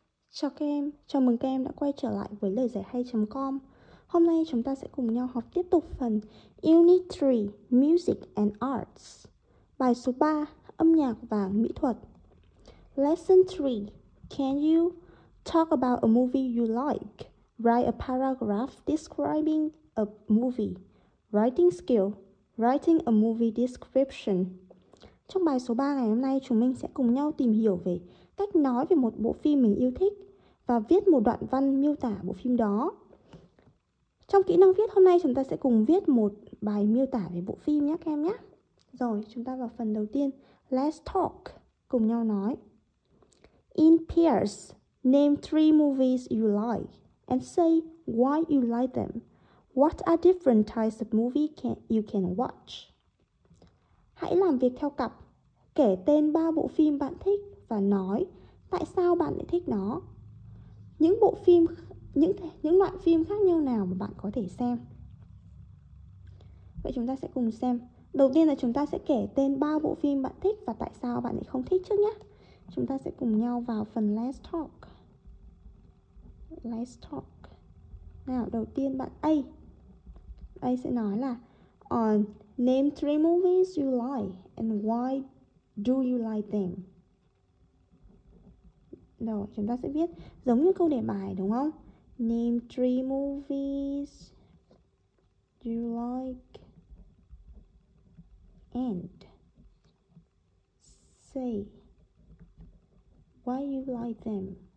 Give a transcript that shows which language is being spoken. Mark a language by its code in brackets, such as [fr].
[vi] Chào các em, chào mừng các em đã quay trở lại với lời giải hay.com. Hôm nay chúng ta sẽ cùng nhau học tiếp tục phần Unit 3 [en] Music and Arts, [vi] bài số 3 Âm nhạc và Mỹ thuật. [en] Lesson 3 Can you talk about a movie you like? Write a paragraph describing a movie. Writing skill, writing a movie description. [vi] Trong bài số 3 ngày hôm nay chúng mình sẽ cùng nhau tìm hiểu về cách nói về một bộ phim mình yêu thích và viết một đoạn văn miêu tả bộ phim đó. Trong kỹ năng viết hôm nay chúng ta sẽ cùng viết một bài miêu tả về bộ phim nhé các em nhé. Rồi, chúng ta vào phần đầu tiên. [en] Let's talk. [vi] Cùng nhau nói. [en] In pairs, name three movies you like and say why you like them. What are different types of movies you can watch? [vi] Hãy làm việc theo cặp. Kể tên ba bộ phim bạn thích và nói tại sao bạn lại thích nó. Những bộ phim, những loại phim khác nhau nào mà bạn có thể xem. Vậy chúng ta sẽ cùng xem. Đầu tiên là chúng ta sẽ kể tên ba bộ phim bạn thích và tại sao bạn lại không thích trước nhé. Chúng ta sẽ cùng nhau vào phần Let's Talk. [en] Let's Talk. [vi] Nào, đầu tiên bạn A. A sẽ nói là [en] name three movies you like and why do you like them? [vi] Rồi, chúng ta sẽ viết giống như câu đề bài đúng không? [en] Name three movies you like and say why you like them.